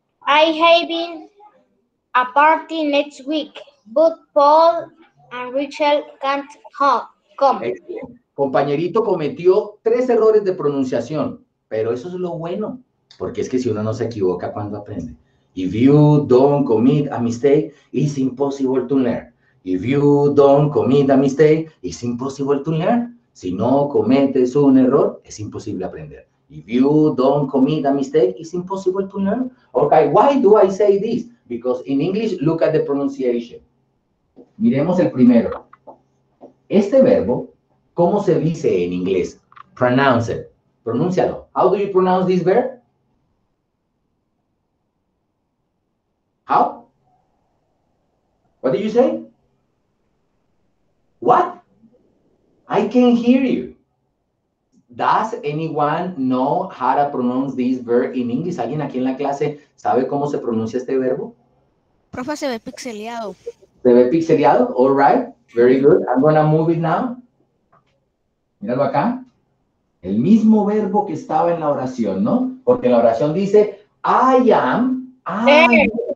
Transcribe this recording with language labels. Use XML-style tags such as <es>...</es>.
<en>I have been a party next week, but Paul and Rachel can't come.</en> <es>Excelente. Compañerito cometió 3 errores de pronunciación, pero eso es lo bueno, porque es que si uno no se equivoca cuando aprende.</es> <en>If you don't commit a mistake, it's impossible to learn. If you don't commit a mistake, it's impossible to learn.</en> <es>Si no cometes un error, es imposible aprender.</es> <en>If you don't commit a mistake, it's impossible to learn. Okay, why do I say this? Because in English, look at the pronunciation.</en> <es>Miremos el primero. Este verbo, ¿cómo se dice en inglés?</es> <en>Pronounce it.</en> <es>Pronúncialo.</es> <en>How do you pronounce this verb? How? What did you say? What? I can't hear you. Does anyone know how to pronounce this verb in English?</en> <es>¿Alguien aquí en la clase sabe cómo se pronuncia este verbo? Profe, se ve pixeleado. ¿Se ve pixeleado?</es> <en>All right. Very good. I'm going to move it now.</en> <es>Míralo acá. El mismo verbo que estaba en la oración, ¿no? Porque la oración dice,</es> <en>I am, I am.</en>